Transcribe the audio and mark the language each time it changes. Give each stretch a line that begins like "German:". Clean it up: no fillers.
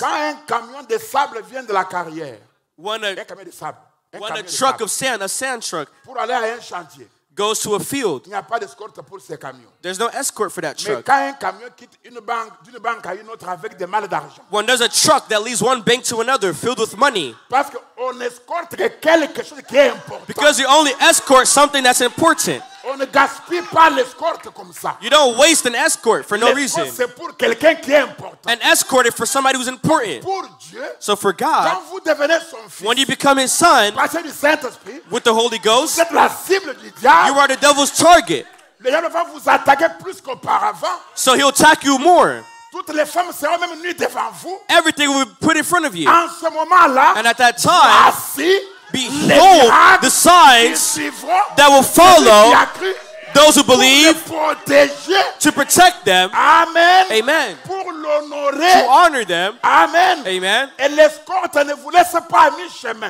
French: Quand un camion de sable vient de la carrière,
English: when a sand truck
French: pour aller à un chantier,
English: goes to a field,
French: il n'y a pas d'escorte pour ces camions.
English: There's no escort for that truck.
French: Mais quand un camion quitte une banque, d'une banque à une autre avec des mal d'argent,
English: when there's a truck that leaves one bank to another filled with money,
French: parce qu'on escorte quelque chose qui est important.
English: Because you only escort something that's important.
French: On ne gaspille pas l'escorte comme ça.
English: You don't waste an escort for no reason.
French: L'escorte, c'est pour quelqu'un qui est important.
English: An escort is for somebody who's important.
French: Pour Dieu,
English: so for God,
French: quand vous devenez son fils,
English: when you become his son,
French: passé du Saint-Esprit,
English: with the Holy Ghost,
French: vous êtes la cible du diable,
English: you are the devil's target.
French: Le diable va vous attaquer plus qu'auparavant.
English: So he'll attack you more.
French: Toutes les femmes seront même nues devant vous.
English: Everything will be put in front of you.
French: En ce moment-là,
English: and at that time,
French: voici,
English: behold the signs that will follow those who believe, to protect them.
French: Amen.
English: Amen.
French: Pour l'honorer.
English: To honor them.
French: Amen.
English: Amen.
French: Et l'escorte ne vous laisse pas à mi-chemin.